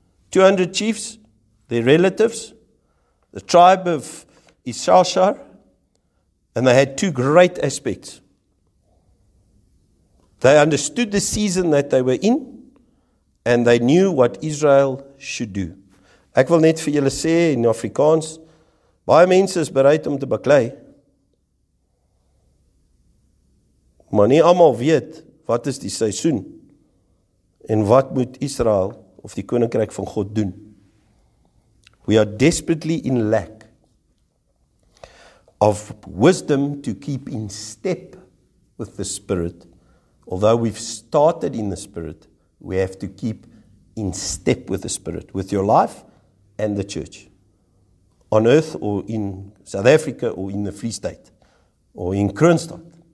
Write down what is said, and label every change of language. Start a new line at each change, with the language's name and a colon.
English: 200 chiefs, their relatives, the tribe of Issachar, and they had two great aspects. They understood the season that they were in, and they knew what Israel should do.
Afrikaans: Ek wil net vir julle sê in Afrikaans, baie mense is bereid om te baklei, maar nie almal weet wat is die seisoen en wat moet Israel of die koninkryk van God doen.
English: We are desperately in lack of wisdom to keep in step with the Spirit. Although we've started in the Spirit, we have to keep in step with the Spirit, with your life and the church, on earth or in South Africa or in the Free State or in Kroonstad.